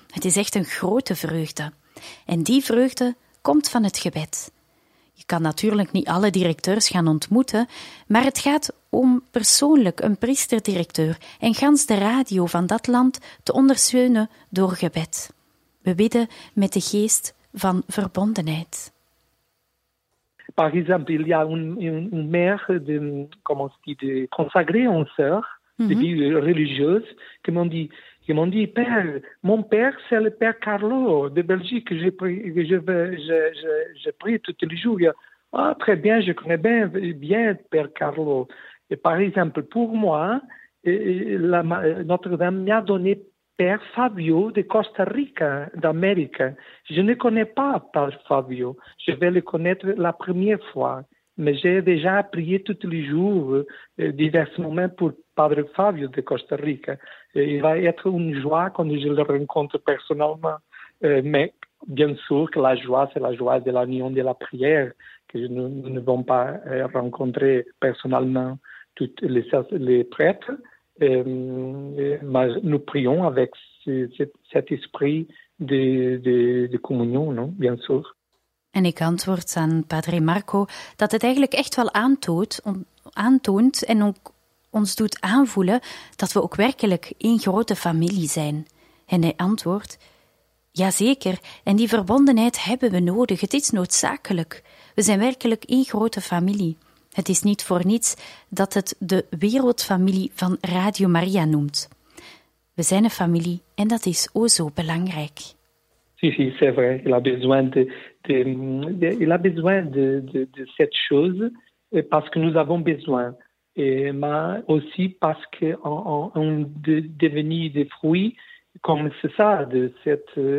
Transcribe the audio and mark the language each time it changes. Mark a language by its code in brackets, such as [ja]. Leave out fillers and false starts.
[nl] Het is echt een grote vreugde. En die vreugde komt van het gebed. Je kan natuurlijk niet alle directeurs gaan ontmoeten, maar het gaat om persoonlijk een priester-directeur en gans de radio van dat land te ondersteunen door gebed. We bidden met de geest van verbondenheid. [fr] Par exemple, il y a une mère de, comment se dit, de consacrée en sœur, de vie religieuse, qui m'ont dit, père, mon père, c'est le père Carlo de Belgique, je prie tous les jours. Ah, très bien, je connais bien le père Carlo. Et par exemple, pour moi, Notre-Dame m'a donné père Fabio de Costa Rica, d'Amérique. Je ne connais pas père Fabio. Je vais le connaître la première fois. Mais j'ai déjà prié tous les jours, divers moments, pour père Fabio de Costa Rica. Et il va être une joie quand je le rencontre personnellement. Mais bien sûr que la joie, c'est la joie de l'union de la prière que nous ne vont pas rencontrer personnellement. Toutes les prêtres, mais nous prions avec cet esprit de communion, non? Bien sûr. [nl] En ik antwoord aan Padre Marco dat het eigenlijk echt wel aantoont en ook ons doet aanvoelen dat we ook werkelijk één grote familie zijn. En hij antwoordt, jazeker, en die verbondenheid hebben we nodig, het is noodzakelijk. We zijn werkelijk één grote familie. Het is niet voor niets dat het de wereldfamilie van Radio Maria noemt. We zijn een familie en dat is o zo belangrijk. [fr] Si, si, c'est vrai. Il a besoin il a besoin de cette chose parce que nous avons besoin. Mais aussi parce qu'on devenu des fruits comme c'est ça, de cette